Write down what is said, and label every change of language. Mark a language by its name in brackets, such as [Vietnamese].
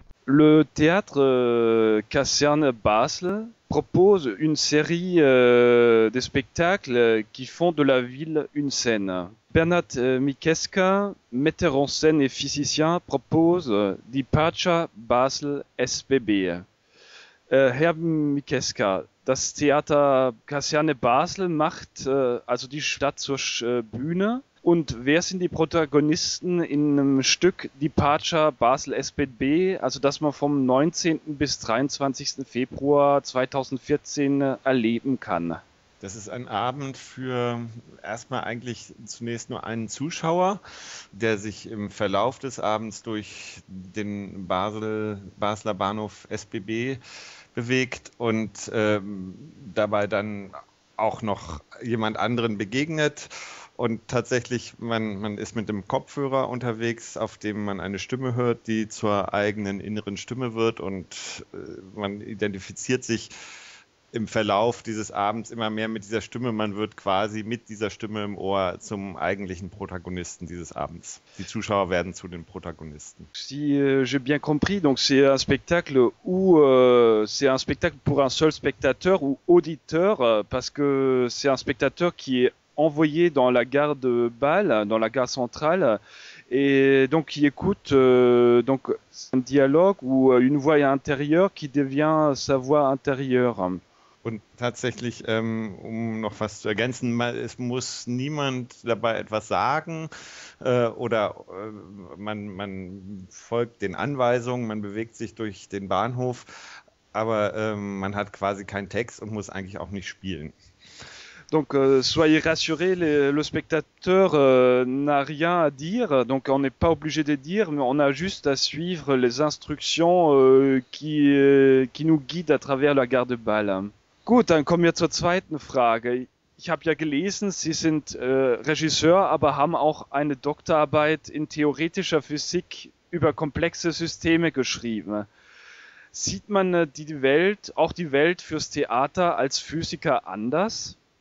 [French] Le théâtre Caserne Basel propose une série de spectacles qui font de la ville une scène. Bernhard Mikeska, metteur en scène et physicien, propose Departure Basel SBB. [German] Herr Mikeska, das Theater Caserne Basel macht also die Stadt zur Bühne. Und wer sind die Protagonisten in einem Stück Departure Basel SBB, also das man vom 19. bis 23. Februar 2014 erleben kann? Das ist ein Abend für erstmal eigentlich zunächst nur einen Zuschauer, der sich im Verlauf des Abends durch den Basler Bahnhof SBB bewegt und dabei dann auch noch jemand anderen begegnet. Und tatsächlich, man ist mit dem Kopfhörer unterwegs, auf dem man eine Stimme hört, die zur eigenen inneren Stimme wird und man identifiziert sich im Verlauf dieses Abends immer mehr mit dieser Stimme. Man wird quasi mit dieser Stimme im Ohr zum eigentlichen Protagonisten dieses Abends. Die Zuschauer werden zu den Protagonisten. [French] Si j'ai bien compris, donc c'est un spectacle où c'est un spectacle pour un seul spectateur ou auditeur, parce que c'est un spectateur qui est envoyé dans la gare de Bâle, dans la gare centrale, et donc il écoute donc un dialogue ou une voix intérieure qui devient sa voix intérieure. [German] Und tatsächlich, um noch was zu ergänzen, es muss niemand dabei etwas sagen oder man folgt den Anweisungen, man bewegt sich durch den Bahnhof, aber man hat quasi keinen Text und muss eigentlich auch nicht spielen. [French] Donc soyez rassurés, le spectateur n'a rien à dire, donc on n'est pas obligé de dire, mais on a juste à suivre les instructions qui nous guident à travers la gare de Bâle. [German] Gut, dann kommen wir zur zweiten Frage. Ich habe ja gelesen, Sie sind Regisseur, aber haben auch eine Doktorarbeit in theoretischer Physik über komplexe Systeme geschrieben. Sieht man die Welt, auch die Welt fürs Theater als Physiker anders?